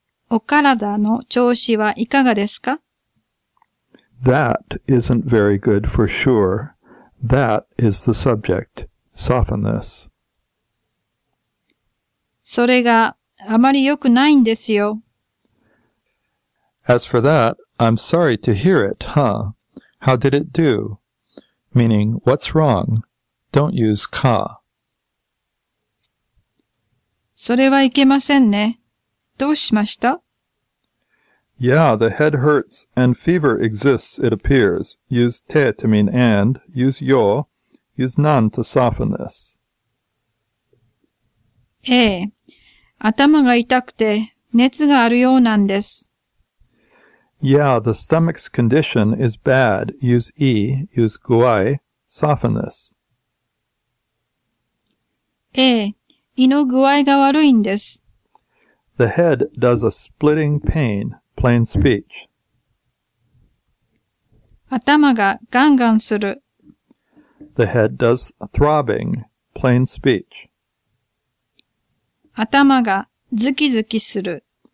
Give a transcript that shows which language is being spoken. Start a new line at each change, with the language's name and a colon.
Japanese: お体の調子はいかがですか?
English: That isn't very good for sure. That is the subject. Soften this.
Japanese: それがあまり良くないんですよ。
English: As for that, I'm sorry to hear it, huh? How did it do? Meaning, what's wrong? Don't use か。
Japanese: それはいけませんね。どうしました?
English: Yeah, the head hurts and fever exists, it appears. Use て to mean and. Use よ.Use なん to soften this.
Japanese: ええ。頭が痛くて熱があるようなんです。
English: Yeah, the stomach's condition is bad. Use e, use 具合, soften this.
Japanese: ええ、胃の具合が悪いんです。
English: The head does a splitting pain, plain speech.
Japanese: 頭がガンガンする。
English: The head does throbbing, plain speech.
Japanese: 頭がズキズキする。